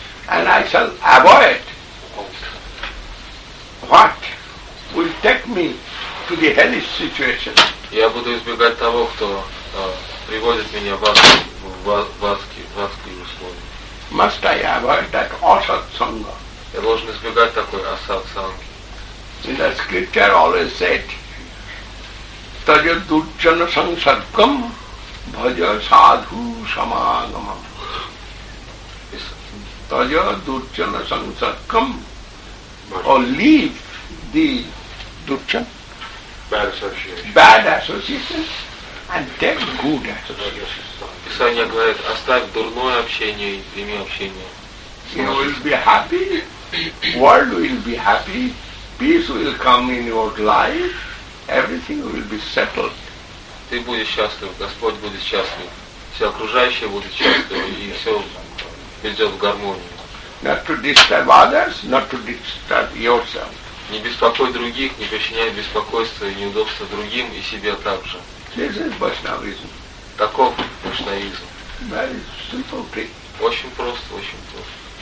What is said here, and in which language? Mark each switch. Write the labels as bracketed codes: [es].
[en] And I shall avoid what will take me to the hellish situation. [ru] Я буду избегать того, кто приводит меня в адские условия. [en] Must I avoid that asat sangha? [ru] Я должен избегать такой асат санги. [en] In the scripture always said, [sa] Tajya Durjana Sangsarkam Bhaja Sadhu Samagamam. Tajya Durjana Sangsarkam, [en] or leave the Durjana. Bad association. Bad association, and then good association. [ru] Писание говорит, оставь дурное общение и прими общение. [en] You will be happy, world will be happy, peace will come in your life, everything will be settled. [ru] ты будешь счастлив, Господь будет счастлив, все окружающие будут счастливы, и все придет в гармонию. [en] Not to disturb others, not to disturb yourself. [ru] Не беспокой других, не причиняй беспокойства и неудобства другим и себе также. [en] This is Vaishnavism. [ru] Таков Вайшнавизм. [en] Very simple thing. [ru] Очень просто, очень просто.